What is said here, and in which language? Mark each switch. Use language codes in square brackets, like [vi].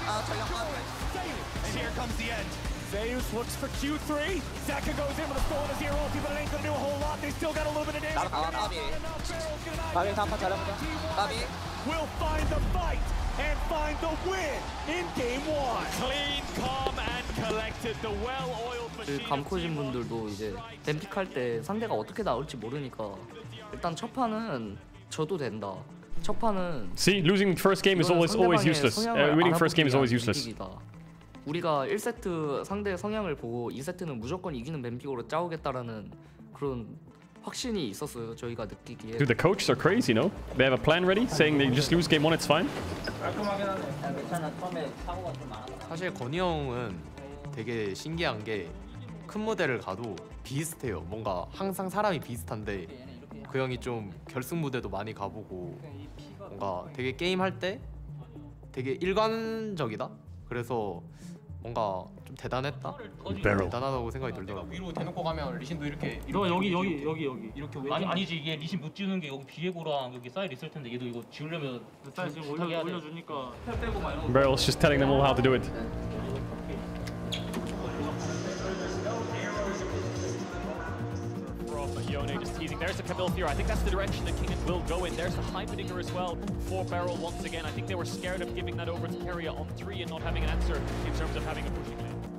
[en] And here comes the end. Zeus looks for Q3. Zeka goes in with a stolen Azir ulti, but it ain't gonna do a whole lot. They still got a little bit of damage. We'll find the fight and find the win in game one. Clean, calm, and collected. The well-oiled machine. [ko] 감코진 분들도 이제 댐픽 할 때 상대가 어떻게 나올지 모르니까 일단 첫 판은 저도 된다. 첫 판은. [en] See, losing first game is always useless. Winning first game is always useless. [ko] 우리가 1세트 상대의 성향을 보고 2세트는 무조건 이기는 맨픽으로 짜오겠다라는 그런 확신이 있었어요. 저희가 느끼기에. [en] Dude, the coaches are crazy, no? They have a plan ready, saying they just lose game one, it's fine. [ko] 깔끔하긴 한데, 괜찮아. 처음에 사고가 좀 많았어. 사실 건희 형은 되게 신기한 게 큰 무대를 가도 비슷해요. 뭔가 항상 사람이 비슷한데 그 형이 좀 결승 무대도 많이 가보고 뭔가 되게 게임 할 때 되게 일관적이다. 그래서 뭔가 좀 대단했다. 대단하다고 생각이 들더라고. 위로 대놓고 가면 리신도 이렇게. 너 여기 이렇게 아니 아니지 이게 리신 못 지우는 게 여기 비에고랑 여기 사이 있을 텐데 얘도 이거 지우려면 사이 지금 올려주니까 펠 빼고 말고. [en] Barrel's just telling them all how to do it. Yone just teasing. There's a Caedrel here. I think that's the direction that Kingen will go in. There's a Heimerdinger as well for Barrel once again. I think they were scared of giving that over to Carrier on three and not having an answer in terms of having a pushing lane.